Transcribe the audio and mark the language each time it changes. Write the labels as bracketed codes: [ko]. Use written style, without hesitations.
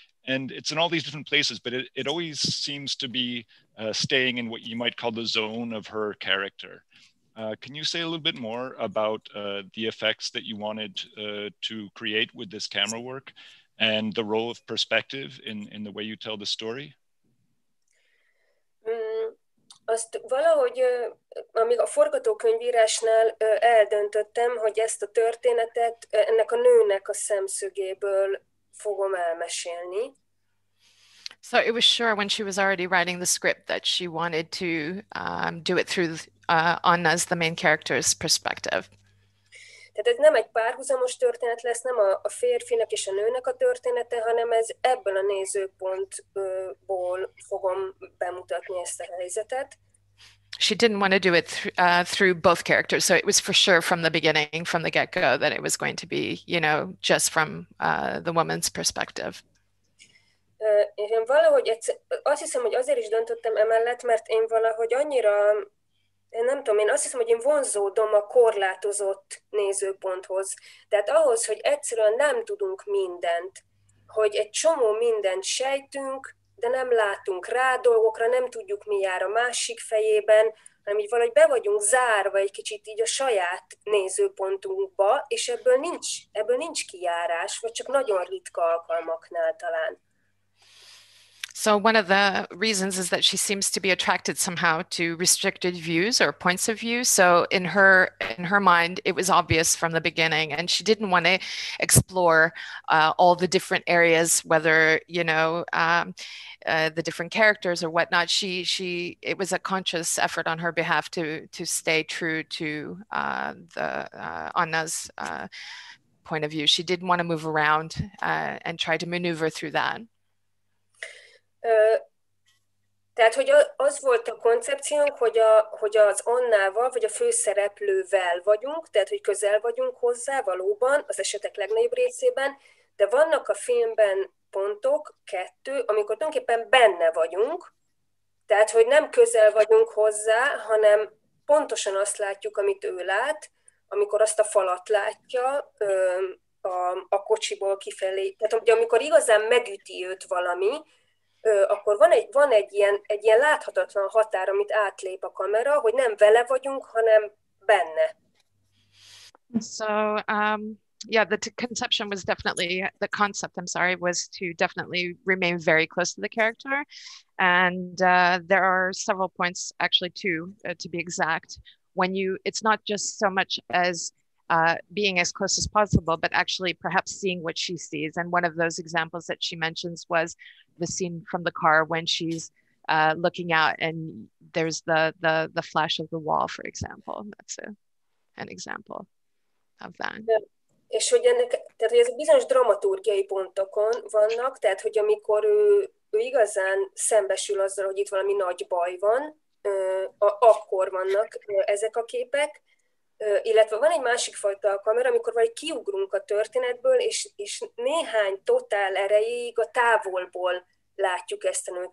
[en] And it's in all these different places, but it always seems to be staying in what you might call the zone of her character. Can you say a little bit more about the effects that you wanted to create with this camera work and the role of perspective in the way you tell the story? [hu] Azt valahogy, amíg a forgatókönyvírásnál eldöntöttem, hogy ezt a történetet ennek a nőnek a szemszögéből fogom elmesélni. [en] So it was sure when she was already writing the script that she wanted to do it through Anna's, the main character's perspective. [hu] Tehát ez nem egy párhuzamos történet lesz, nem a férfinek és a nőnek a története, hanem ez ebből a nézőpontból fogom bemutatni ezt a helyzetet. [en] she didn't want to do it through both characters. So it was for sure from the beginning, from the get-go, that it was going to be, you know, just from the woman's perspective. [hu] Én valahogy azt hiszem, hogy azért is döntöttem emellett, mert én valahogy annyira, én nem tudom, én azt hiszem, hogy én vonzódom a korlátozott nézőponthoz. Tehát ahhoz, hogy egyszerűen nem tudunk mindent, hogy egy csomó mindent sejtünk, de nem látunk rá dolgokra, nem tudjuk, mi jár a másik fejében, hanem így valahogy be vagyunk zárva egy kicsit így a saját nézőpontunkba, és ebből nincs kijárás, vagy csak nagyon ritka alkalmaknál talán. [en] So one of the reasons is that she seems to be attracted somehow to restricted views or points of view. So in her mind, it was obvious from the beginning, and she didn't want to explore all the different areas, whether, you know, the different characters or whatnot. It was a conscious effort on her behalf to stay true to Anna's point of view. She didn't want to move around and try to maneuver through that. [hu] Tehát, hogy az volt a koncepciónk, hogy az Annával, vagy a főszereplővel vagyunk, tehát, hogy közel vagyunk hozzá valóban, az esetek legnagyobb részében, de vannak a filmben pontok, kettő, amikor tulajdonképpen benne vagyunk, tehát, hogy nem közel vagyunk hozzá, hanem pontosan azt látjuk, amit ő lát, amikor azt a falat látja, a kocsiból kifelé, tehát, hogy amikor igazán megüti őt valami, akkor van egy ilyen láthatatlan határ, amit átlép a kamera, hogy nem vele vagyunk, hanem benne. [en] So the concept was to definitely remain very close to the character, and there are several points, actually two to be exact, when you, it's not just so much as being as close as possible, but actually perhaps seeing what she sees. And one of those examples that she mentions was the scene from the car when she's looking out and there's the flash of the wall, for example. That's an example of that. [hu] És hogy ennek, tehát hogy ez bizonyos dramaturgiai pontokon vannak, tehát hogy amikor ő igazán szembesül azzal, hogy itt valami nagy baj van, akkor vannak ezek a képek. Illetve van egy másik fajta a kamera, amikor vagy kiugrunk a történetből, és néhány totál erejéig a távolból látjuk ezt a nőt.